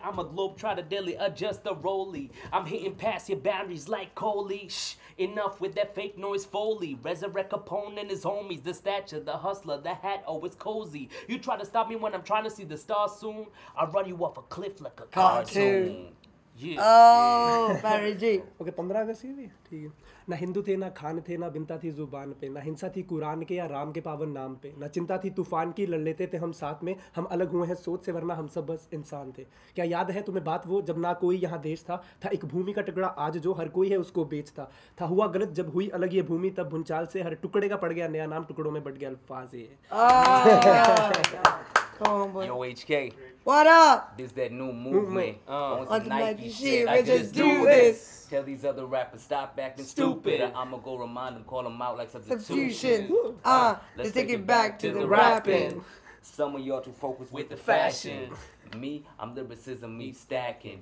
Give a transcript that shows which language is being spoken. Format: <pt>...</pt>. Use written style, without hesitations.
<en>I'm a globe, try to daily adjust the rollie. I'm hitting past your boundaries like Coley. Shh, enough with that fake noise Foley. Resurrect Capone and his homies, the stature, the hustler, the hat always cozy. You try to stop me when I'm trying to see the stars soon. I'll run you off a cliff like a cartoon.</en> <hi>ना हिंदू थे ना खान थे ना बिनता थी जुबान पे ना हिंसा थी कुरान के या राम के पावन नाम पे ना चिंता थी तूफान की लड़ लेते थे हम साथ में हम अलग हुए हैं सोच से वरना हम सब बस इंसान थे क्या याद है तुम्हें बात वो जब ना कोई यहाँ देश था एक भूमि का टुकड़ा आज जो हर कोई है उसको बेचता था हुआ गलत जब हुई अलग ये भूमि तब भूंचाल से हर टुकड़े का पड़ गया नया नाम टुकड़ों में बट गया अल्फाज ये</hi> <en>Yo, HK. What up? This that new movement. On some Nike shit, we just do this. Tell these other rappers, stop acting stupid. I'ma go remind them, call them out like substitution. Let's take it back to the rapping. Some of y'all too focused with the fashion. Me, I'm lyricism, me stacking.</en>